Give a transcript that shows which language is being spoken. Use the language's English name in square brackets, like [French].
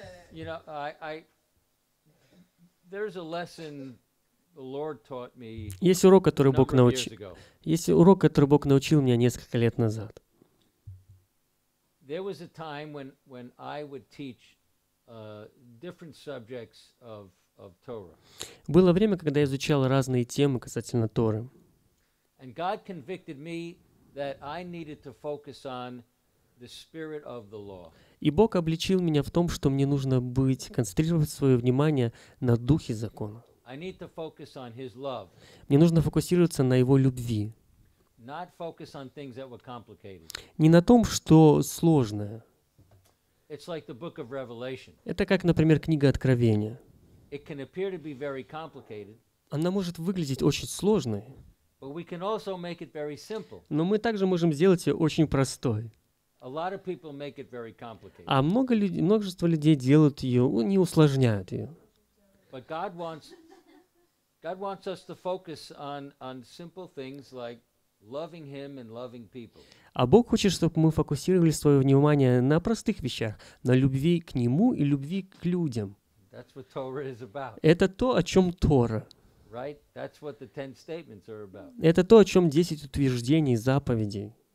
[English] You know, there's a lesson the Lord taught me. [Russian] Есть урок, который Бог научил. Есть урок, который Бог научил меня несколько лет назад. [English] There was a time when I would teach different subjects of Torah. [Russian] Было время, когда я изучал разные темы касательно Торы. [English] And God convicted me that I needed to focus on the spirit of the law. [Russian] И Бог обличил меня в том, что мне нужно быть, концентрировать свое внимание на духе закона. [English] I need to focus on his love. [Russian] Мне нужно фокусироваться на его любви. [English] Not focus on things that were complicated. [Russian] Не на том, что сложное. [English] It's like the book of Revelation. [Russian] Это как, например, книга Откровения. [English] It can appear to be very complicated. [Russian] Она может выглядеть очень сложной. [English] But we can also make it very simple. [Russian] Но мы также можем сделать ее очень простой. [English] A lot of people make it very complicated. [Russian] А много людей, множество людей делают ее, не усложняют ее. [English] But God wants us to focus on simple things like loving him and loving people. [Russian] А Бог хочет, чтобы мы фокусировали свое внимание на простых вещах, на любви к Нему и любви к людям. [English] That's what Torah is about. [Russian] Это то, о чем Тора. [English] Right? That's what the ten statements are about. [Russian] Это то, о чем 10 утверждений, заповедей.